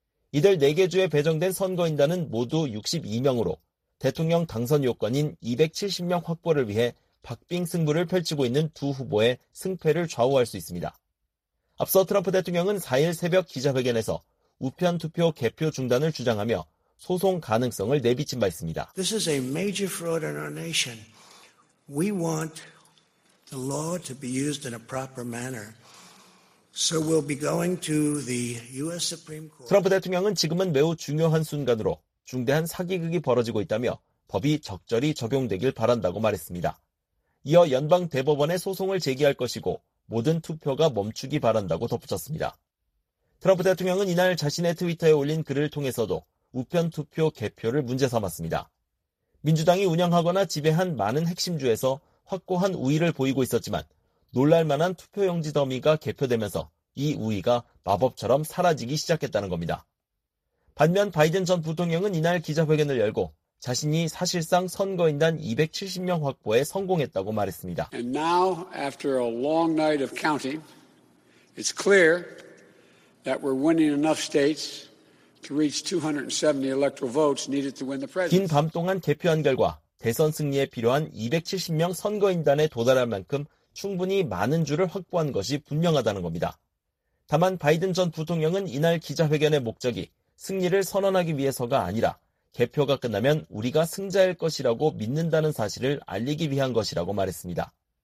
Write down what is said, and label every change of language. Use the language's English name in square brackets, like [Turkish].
[Korean] 이들 4개 주에 배정된 선거인단은 모두 62명으로 대통령 당선 요건인 270명 확보를 위해 박빙 승부를 펼치고 있는 두 후보의 승패를 좌우할 수 있습니다. 앞서 트럼프 대통령은 4일 새벽 기자회견에서 우편 투표 개표 중단을 주장하며 소송 가능성을 내비친 바 있습니다. [English] This is a major fraud in our nation. We want the law to be used in a proper manner. So we'll be going to the US Supreme Court. [Korean] 트럼프 대통령은 지금은 매우 중요한 순간으로 중대한 사기극이 벌어지고 있다며 법이 적절히 적용되길 바란다고 말했습니다. 이어 연방 대법원에 소송을 제기할 것이고 모든 투표가 멈추기 바란다고 덧붙였습니다. 트럼프 대통령은 이날 자신의 트위터에 올린 글을 통해서도 우편 투표 개표를 문제 삼았습니다. 민주당이 운영하거나 지배한 많은 핵심주에서 확고한 우위를 보이고 있었지만 놀랄만한 투표용지 더미가 개표되면서 이 우위가 마법처럼 사라지기 시작했다는 겁니다. 반면 바이든 전 부통령은 이날 기자회견을 열고 자신이 사실상 선거인단 270명 확보에 성공했다고 말했습니다. [English] And now, after a long night of counting, it's clear that we're winning enough states to reach 270 electoral votes needed to win the presidency. [Korean] 긴 밤 동안 개표한 결과 대선 승리에 필요한 270명 선거인단에 도달할 만큼 충분히 많은 주를 확보한 것이 분명하다는 겁니다. 다만 바이든 전 부통령은 이날 기자회견의 목적이 승리를 선언하기 위해서가 아니라 개표가 끝나면 우리가 승자일 것이라고 믿는다는 사실을 알리기 위한 것이라고 말했습니다.